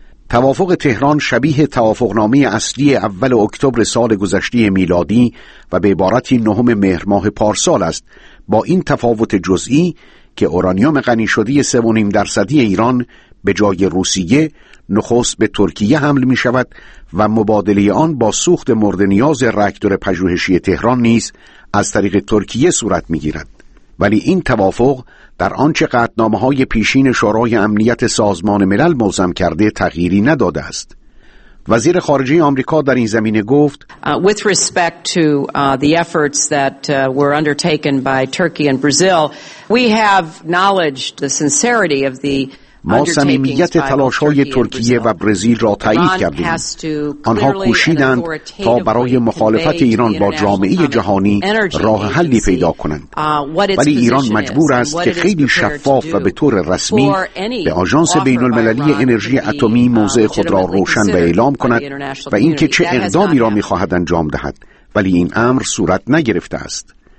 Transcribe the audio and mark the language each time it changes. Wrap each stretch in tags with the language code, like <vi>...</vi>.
<fa>توافق تهران شبیه توافقنامه اصلی اول اکتبر سال گذشته میلادی و به عبارتی نهم مهر ماه پارسال است، با این تفاوت جزئی که اورانیوم غنی شده 3.5% ایران به جای روسیه نخست به ترکیه حمل می شود و مبادله آن با سوخت مورد نیاز راکتور پژوهشی تهران نیز از طریق ترکیه صورت می گیرد. ولی این توافق در آنچه قطعنامه‌های پیشین شورای امنیت سازمان ملل موضع کرده تغییری نداده است. وزیر خارجه آمریکا در این زمینه گفت</fa> <en>With respect to the efforts that were undertaken by Turkey and Brazil, we have acknowledged the sincerity of the</en> <fa>ما صمیمیت تلاش‌های ترکیه و برزیل را تایید کردیم. آنها کوشیدند تا برای مخالفت ایران با جامعه جهانی راه حلی پیدا کنند. ولی ایران مجبور است که خیلی شفاف و به طور رسمی به آژانس بین‌المللی انرژی اتمی موضع خود را روشن و اعلام کند و اینکه چه اقدامی را می‌خواهد انجام دهد، ولی این امر صورت نگرفته است.</fa>